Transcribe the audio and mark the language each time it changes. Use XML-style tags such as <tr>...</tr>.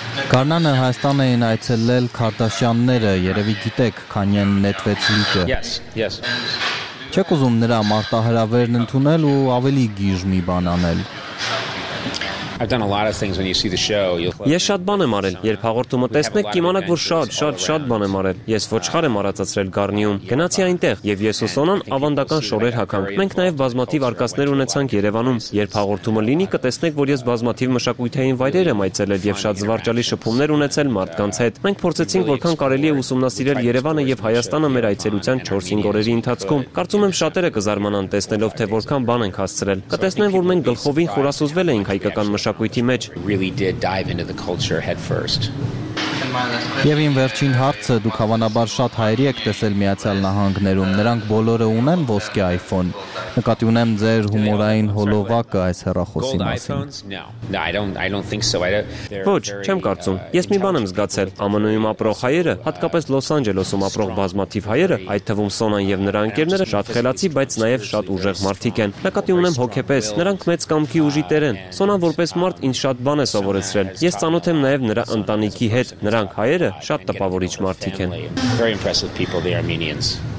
<hy>Կարնանը Հայաստան էին այցելել Քարդաշյանները, երևի գիտեք, քանի են նետվեց լիքը։</hy> <en>Yes, yes.</en> <hy>Չեք ուզում նրա մարտահրավերն ընդունել ու ավելի գիժ մի բան անել։</hy> <en>I've done a lot of things when you see the show you'll</en> <hy>Ես շատ բան եմ արել։ Երբ հաղորդումը տեսնեք, կիմանաք, որ շատ, շատ, շատ բան եմ արել։ Ես ոչխար եմ արածացրել Գառնիում։ Գնացի այնտեղ եւ ես ու Սոնան ավանդական շորեր հագանք։ Մենք նաեւ բազմաթիվ արկածներ ունեցանք Երևանում։ Երբ հաղորդումը լինի, կտեսնեք, որ ես բազմաթիվ մշակութային վայրեր եմ այցելել եւ շատ զվարճալի շփումներ ունեցել մարդկանց հետ։ Մենք փորձեցինք որքան կարելի է ուսումնասիրել Երևանը եւ Հայաստանը մեր այցելության 4-5 օրերի ընթացքում։ Կարծում եմ շատերը կզարմանան տեսնելով թե որքան բան ենք հասցրել։ Կտեսնեն, որ մենք գլխովին խորասուզվել ենք հայկական մշակույթի մեջ.</hy> <en>Really did dive into the culture head first.</en> <hy>Եվ իմ վերջին հարցը, դուք հավանաբար շատ հայերի եք տեսել Միացյալ Նահանգներում, նրանք բոլորը ունեն ոսկե iPhone։ Նկատի ունեմ ձեր հումորային հոլովակը այս հեռախոսի մասին։ Ոչ, չեմ կարծում։ Ես մի բան եմ զգացել, ԱՄՆ-ում ապրող հայերը, հատկապես Լոս Անջելոսում ապրող բազմաթիվ հայերը, այդ թվում Սոնան եւ նրա ընկերները, շատ խելացի, բայց նաեւ շատ ուժեղ մարդիկ են։ Նկատի ունեմ հոգեպես, նրանք մեծ կամքի ուժի տեր են։ Սոնան որպես մարդ ինձ շատ բան է սովորեցրել։ Ես ծանոթ եմ նաեւ նրա ընտանիքի հետ։ Նրանք հայերը շատ տպավորիչ մարդիկ են։</hy> <en>Very impressive people the Armenians.</en>